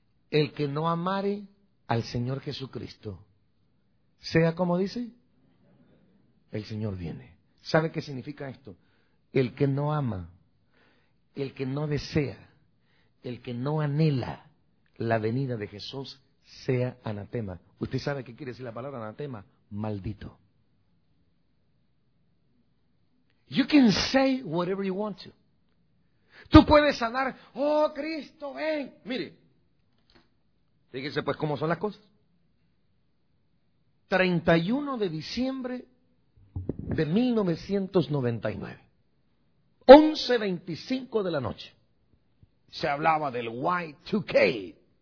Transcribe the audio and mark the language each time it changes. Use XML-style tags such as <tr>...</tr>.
<es>El que no amare al Señor Jesucristo, sea como dice, el Señor viene. ¿Sabe qué significa esto? El que no ama, el que no desea, el que no anhela la venida de Jesús, sea anatema. ¿Usted sabe qué quiere decir la palabra anatema? Maldito.</es> <en>You can say whatever you want to.</en> <es>Tú puedes hablar, oh Cristo, ven. Mire, fíjese pues cómo son las cosas. 31 de diciembre de 1999. 11:25 de la noche. Se hablaba del Y2K.</es>